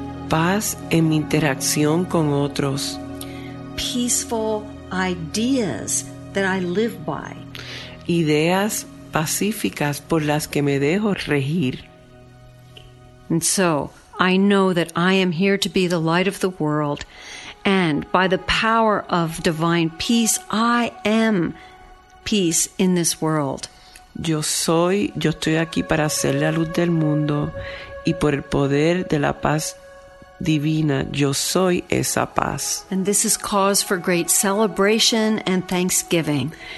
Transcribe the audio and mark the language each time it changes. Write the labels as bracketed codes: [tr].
[es] Paz en mi interacción con otros. [en] Peaceful ideas that I live by. [es] Ideas pacíficas por las que me dejo regir. [en] And so, I know that I am here to be the light of the world, and by the power of divine peace, I am peace in this world. [es] Yo estoy aquí para ser la luz del mundo, y por el poder de la paz divina, yo soy esa paz. [en] And this is cause for great celebration and thanksgiving.